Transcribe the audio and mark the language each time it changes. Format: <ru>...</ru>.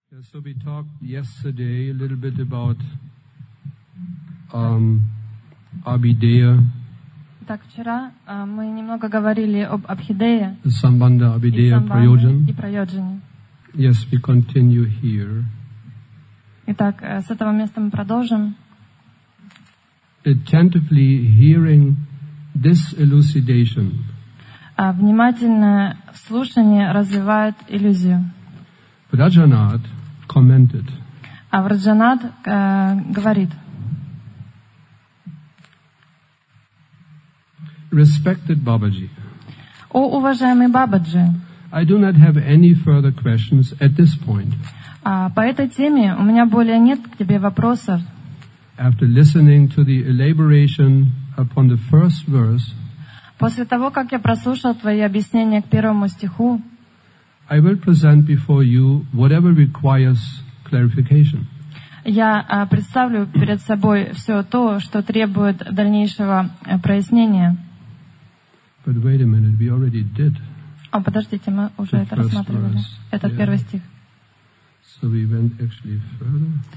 <en>So we talked yesterday a little bit about Abhideya.</en> <ru>Так вчера мы немного говорили об Абхидее. Самбанда Абхидея Прайоджан. И Прайоджане.</ru> <en>Yes, we continue here.</en> <ru>Итак, с этого места мы продолжим.</ru> <en>Attentively hearing this elucidation.</en> <ru>Внимательное слушание развивает иллюзию.</ru> <en>Враджанат commented.</en> <ru>А Враджанат говорит.</ru> <en>Respected Babaji.</en> <ru>О, уважаемый Бабаджи.</ru> <en>I do not have any further questions at this point.</en> <ru>По этой теме у меня более нет к тебе вопросов.</ru> <en>After listening to the elaboration upon the first verse,</en> <ru>после того, как я прослушал твои объяснения к первому стиху,</ru> <en>I will present before you whatever requires clarification.</en> <ru>Я представлю перед собой все то, что требует дальнейшего прояснения.</ru> <en>But wait a minute, we already did.</en> <ru>А подождите, мы уже это рассматривали. Это первый стих.</ru> <en>So we went actually further.</en>